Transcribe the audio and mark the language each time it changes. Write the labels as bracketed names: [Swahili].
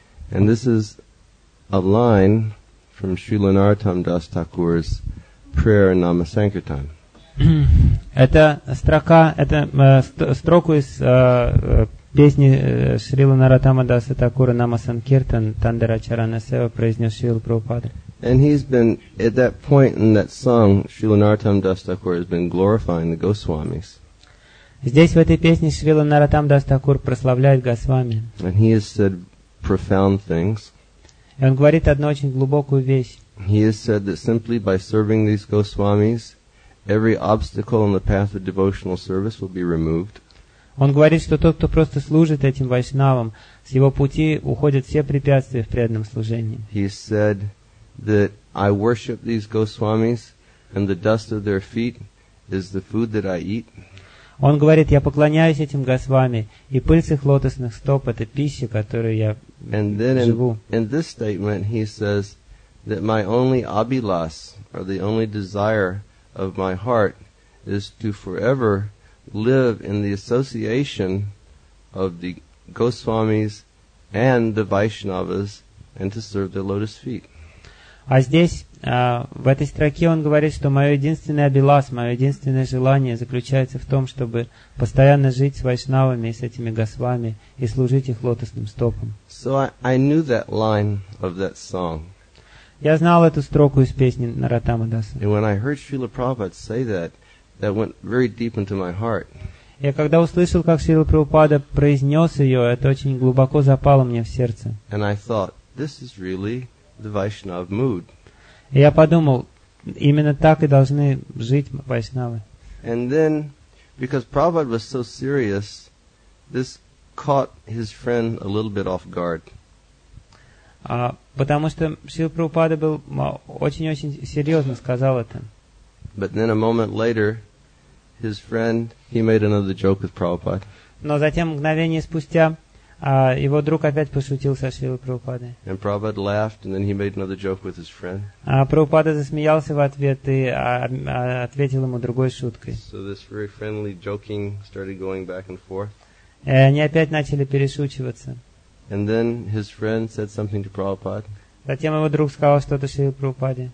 [English] And this is a line from Srila Narottam Das Thakur's prayer in Namasankirtan. [Russian] Это строка, это строку из песни Шрилы Нараттама Даса Такура Намасанкиртан, Тандара Чарана Сева, произнес Шрила Прабхупада. [English] And he's been, at that point in that song, Srila Naratam Das Thakur has been glorifying the Goswamis. [Russian] Здесь, в этой песне, Шрила Наратам Дас Такур прославляет Госвами. [English] And he has said profound things. [Russian] И он говорит одну очень глубокую вещь. [English] He has said that simply by serving these Goswamis, every obstacle in the path of devotional service will be removed. [Russian] Он говорит, что тот, кто просто служит этим вайшнавам, с его пути уходят все препятствия в преданном служении. [English] He said that I worship these Goswamis, and the dust of their feet is the food that I eat. [Russian] Он говорит, я поклоняюсь этим Госвами, и пыль с их лотосных стоп — это пища, которую я живу. [English] In this statement, he says that my only abhilas, or the only desire of my heart, is to forever live in the association of the Goswamis and the Vaishnavas, and to serve their lotus feet. [Russian] А здесь, в этой строке он говорит, что мое единственное абилас, мое единственное желание заключается в том, чтобы постоянно жить с вайшнавами и с этими госвами и служить их лотосным стопам. [English] So I knew that line of that song. [Russian] Я знал эту строку из песни Наратама Даса. [English] And when I heard Srila Prabhupada say that, that went very deep into my heart. [Russian] Я когда услышал, как Шрила Прабхупада произнес ее, это очень глубоко запало мне в сердце. [English] And I thought, this is really the Vaishnav mood. [Russian] Я подумал, именно так и должны жить вайшнавы. [English] And then, because Prabhupada was so serious, this caught his friend a little bit off guard. [Russian] Потому что Шрила Прабхупада был очень-очень серьезно сказал это. [English] But then a moment later, his friend, he made another joke with Prabhupada. [Russian] Но затем мгновение спустя его друг опять пошутил со Шрилой Прабхупадой. [English] And Prabhupada laughed, and then he made another joke with his friend. [Russian] Прабхупада засмеялся в ответ и ответил ему другой шуткой. [English] So this very friendly joking started going back and forth. [Russian] И они опять начали перешучиваться. [English] And then his friend said something to Prabhupada. [Russian] Затем его друг сказал что-то Шриле Прабхупаде.